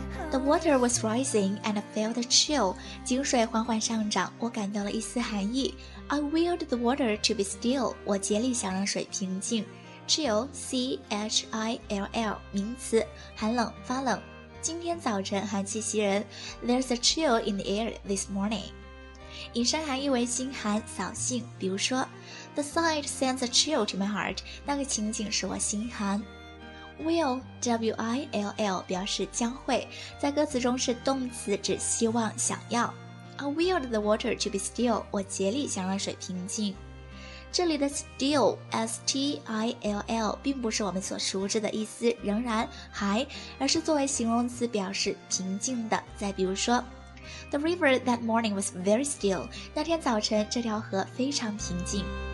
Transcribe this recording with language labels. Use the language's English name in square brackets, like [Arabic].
[English] The water was rising and I felt a chill. [Chinese] 井水缓缓上涨，我感到了一丝寒意。 [English] I willed the water to be still. [Chinese] 我竭力想让水平静。 Chill, C-H-I-L-L, 名词，寒冷、发冷。今天早晨寒气袭人。 [English] There's a chill in the air this morning. [Chinese] 引申含义为心寒、扫兴。比如说 [English] ,The sight sends a chill to my heart. [Chinese] 那个情景使我心寒。 Will, W-I-L-L, 表示将会，在歌词中是动词，指希望、想要。 [English] I willed the water to be still, [Chinese] 我竭力想让水平静。这里的 still, S-T-I-L-L, 并不是我们所熟知的意思，仍然、还，而是作为形容词表示平静的。 [English] 再比如说 ,The river that morning was very still, [Chinese] 那天早晨这条河非常平静。